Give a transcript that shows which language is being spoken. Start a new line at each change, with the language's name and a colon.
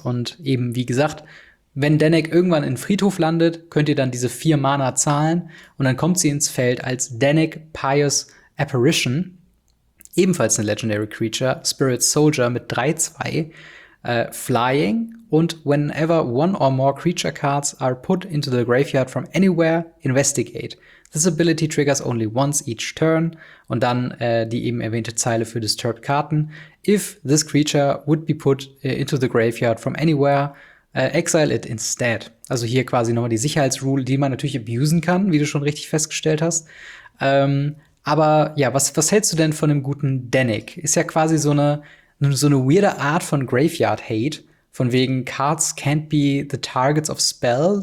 German: Und eben, wie gesagt, wenn Danik irgendwann in Friedhof landet, könnt ihr dann diese 4 Mana zahlen und dann kommt sie ins Feld als Danik Pious Apparition, ebenfalls eine Legendary Creature, Spirit Soldier mit 3-2, Flying, und
English: whenever one or more creature cards are put into the graveyard from anywhere, investigate. This ability triggers only once each turn.
German: Und dann die eben erwähnte Zeile für Disturbed Karten.
English: If this creature would be put into the graveyard from anywhere, exile it instead.
German: Also hier quasi nochmal die Sicherheitsrule, die man natürlich abusen kann, wie du schon richtig festgestellt hast. Aber ja, was hältst du denn von dem guten Danik? Ist ja quasi so eine weirde Art von Graveyard-Hate. Von wegen,
English: Cards can't be the targets of spell.